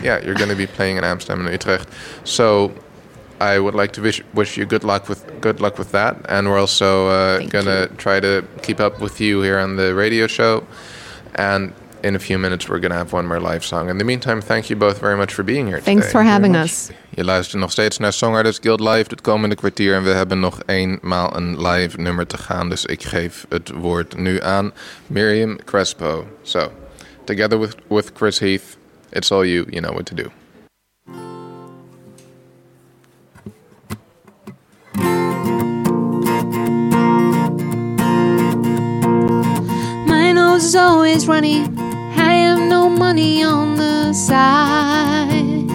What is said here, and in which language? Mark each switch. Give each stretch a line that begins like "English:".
English: Yeah, you're gonna be playing in Amsterdam and Utrecht. So, I would like to wish you good luck with that, and we're also try to keep up with you here on the radio show, and. In a few minutes, we're going to have one more live song. In the meantime, thank you both very much for being here today. Thanks for having us.
Dutch: Je luistert nog steeds naar Songwriters Guild Live het komende kwartier. En we hebben nog eenmaal een live nummer te gaan. Dus ik geef het woord nu aan Miriam Crespo.
English: So, together with Chris Heath, it's all you. You know what to do. My nose is always runny. I have no money on the side.